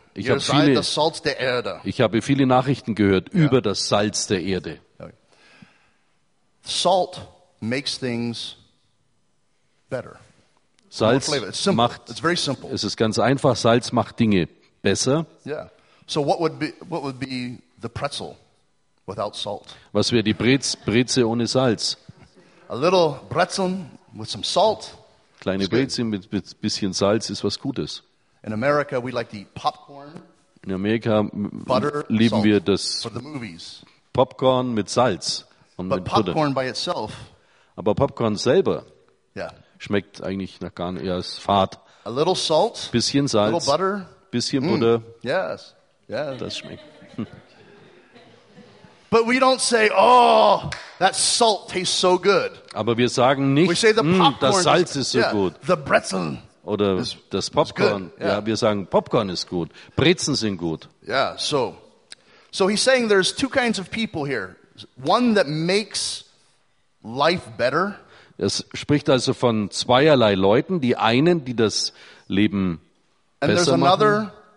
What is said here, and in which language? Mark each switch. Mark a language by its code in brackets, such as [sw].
[de] Ich habe viele, [en] the salt [de] der Erde. Ich habe viele Nachrichten gehört über das Salz der Erde. [en] Okay. Salt makes things better. [de] Salz macht, es ist ganz einfach, Salz macht Dinge besser. [en] Yeah. So what would be the pretzel without salt? [de] Was wäre die Breze ohne Salz? [en] A little bretzeln with some salt. [de] Kleine Breze mit bisschen Salz ist was Gutes. [en] In America we like to eat popcorn. [de] In Amerika lieben wir das Popcorn mit Salz und [en] but [de] mit [en] Butter. Popcorn by itself. [de] Aber Popcorn selber. [en] Yeah. [de] Schmeckt eigentlich nach gar nicht, ja, ist fad. [en] A little salt, [de] bisschen Salz, [en] a little butter, [de] bisschen Butter. [en] Mm, yes, yes. [de] Das schmeckt. [en] But we don't say, oh, that salt tastes so good. [de] Aber wir sagen nicht, das Salz ist so gut. [en] The Bretzel. [de] Oder das Popcorn. Ja, wir sagen, Popcorn ist gut. Brezen sind gut. [en] Yeah, so he's saying there's two kinds of people here. One that makes life better. [de] Es spricht also von zweierlei Leuten, die einen, die das Leben besser machen.